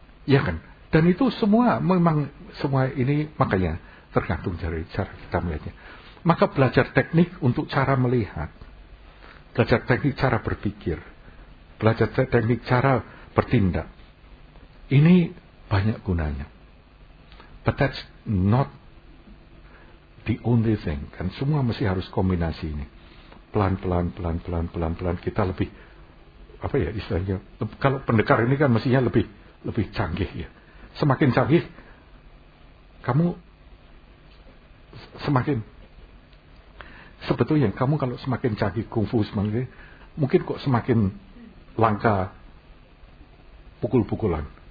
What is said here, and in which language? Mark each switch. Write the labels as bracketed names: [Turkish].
[Indonesian] Ya kan? Dan itu semua, memang semua ini makanya tergantung dari cara kita melihatnya. Maka belajar teknik untuk cara melihat, belajar teknik cara berpikir, belajar teknik cara bertindak, ini banyak gunanya. [English] But that's not the only thing. [Indonesian] Kan semua mesti harus kombinasi ini. Pelan-pelan kita lebih apa ya istilahnya? Kalau pendekar ini kan mestinya lebih canggih ya. Semakin canggih, kamu semakin sebetulnya kamu kalau semakin canggih kungfu semangat, mungkin kok semakin langka pukul-pukulan.